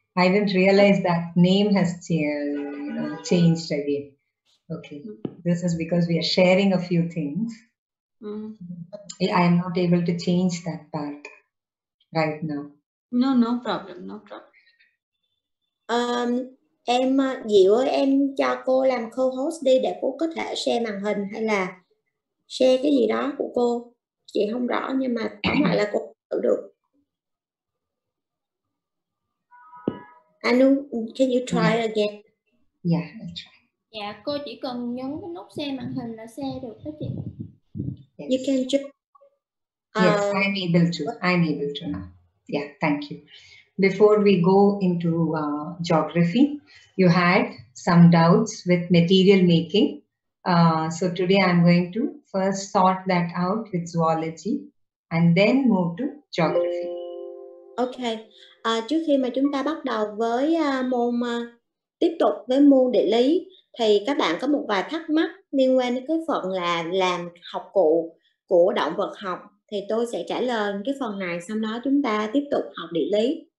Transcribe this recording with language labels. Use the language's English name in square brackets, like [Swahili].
[English] I didn't realize that name has changed again. Okay. This is because we are sharing a few things. I am not able to change that part right now. No problem. [Vietnamese] Em Diệu ơi, em cho cô làm co-host đi để cô có thể share màn hình hay là share cái gì đó của cô. Chị không rõ nhưng mà tóm lại là cô tự được. [English] Anu, can you try again? Yeah, I'll try. [Vietnamese] Dạ, cô chỉ cần nhấn cái nút share màn hình là share được đó chị. [English] Yes. You can just... Yes, I'm able to now. Yeah, thank you. Before we go into geography, you had some doubts with material making. So today I'm going to first sort that out with zoology and then move to geography. Okay. [Vietnamese] Trước khi mà chúng ta bắt đầu với tiếp tục với môn địa lý, thì các bạn có một vài thắc mắc liên quan đến cái phần là làm học cụ của động vật học. Thì tôi sẽ trả lời cái phần này, sau đó chúng ta tiếp tục học địa lý.